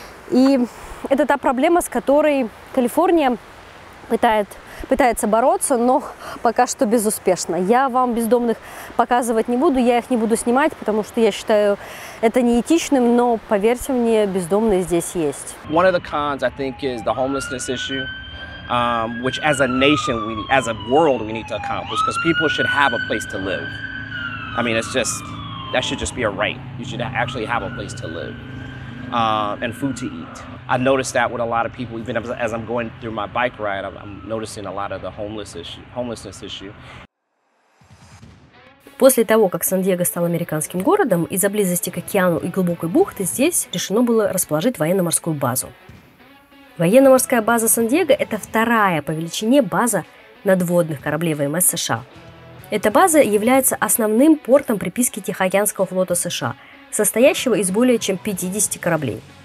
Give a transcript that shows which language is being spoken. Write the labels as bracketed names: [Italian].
[Russian] И это та проблема, с которой Калифорния пытается бороться, но пока что безуспешно. Я вам бездомных показывать не буду, я их не буду снимать, потому что я считаю это неэтичным, но поверьте мне, бездомные здесь есть. [English] One of the cons, I think, is the homelessness issue, which as a nation, as a world, we need to accomplish, because people should have a place to live. I mean, it's just, that should just be a right. You should actually have a place to live, and food to eat. I noticed that with a lot of people, even as I'm going through my bike ride, I'm noticing a lot of the homelessness issue. [Russian] После того, как Сан-Диего стал американским городом, из-за близости к океану и глубокой бухты здесь решено было расположить военно-морскую базу. Военно-морская база Сан-Диего – это вторая по величине база надводных кораблей ВМС США. Эта база является основным портом приписки Тихоокеанского флота США, состоящего из более чем 50 кораблей.